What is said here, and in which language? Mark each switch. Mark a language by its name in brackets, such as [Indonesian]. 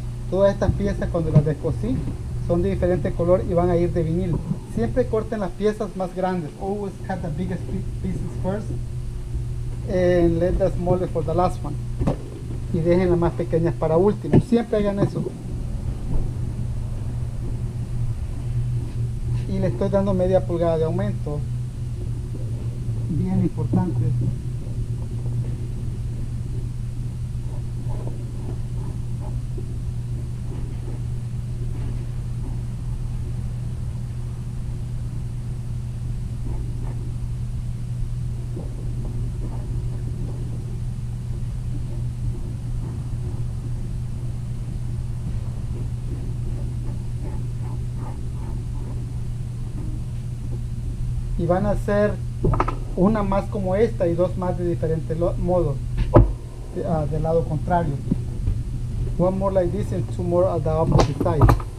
[Spanish] Todas estas piezas cuando las descosí son de diferente color y van a ir de vinil. Siempre corten las piezas más grandes. [English] Always cut the biggest pieces first and let the smaller for the last one. [Spanish] Y dejen las más pequeñas para último. Siempre hagan eso. Y le estoy dando media pulgada de aumento, bien importante. Y van a hacer una más como esta y dos más de diferentes modos del lado contrario. [English] One more like this and two more at the opposite side.